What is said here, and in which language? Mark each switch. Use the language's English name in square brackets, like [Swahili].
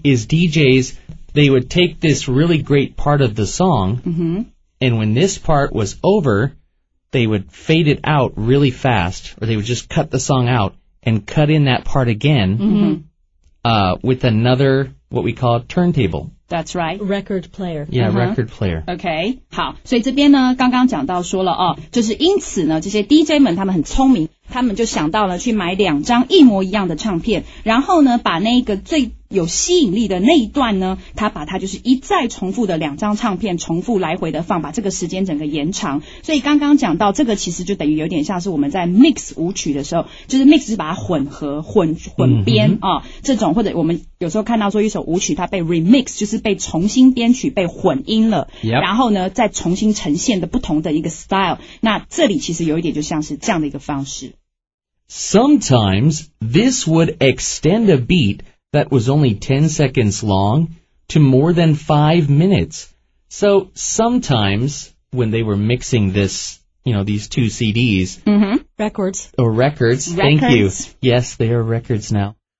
[English] is DJs, they would take this really great part of the song,、 mm-hmm. and when this part was over, they would fade it out really fast, or they would just cut the song out and cut in that part again with another, what we call a turntable. That's right. Record player. Yeah, record player. [Chinese] Okay, 好，所以这边呢，刚刚讲到说了哦，就是因此呢，这些 DJ 们他们很聪明，他们就想到了去买两张一模一样的唱片，然后呢，把那个最有吸引力的那一段呢，他把它就是一再重复的两张唱片重复来回的放，把这个时间整个延长。所以刚刚讲到这个，其实就等于有点像是我们在 mix 舞曲的时候，就是 mix 是把它混合、混编啊、这种，或者我们有时候看到说一首舞曲它被 remix， 就是被重新编曲、被混音了， [English] yep. [Chinese] 然后呢再重新呈现的不同的一个 style。那这里其实有一点就像是这样的一个方式。 [English] Sometimes this would extend a beat. That was only 10 seconds long to more than 5 minutes. So sometimes when they were mixing this, you know, these two CDs. Records. Or records. Thank you. Yes, they are records now.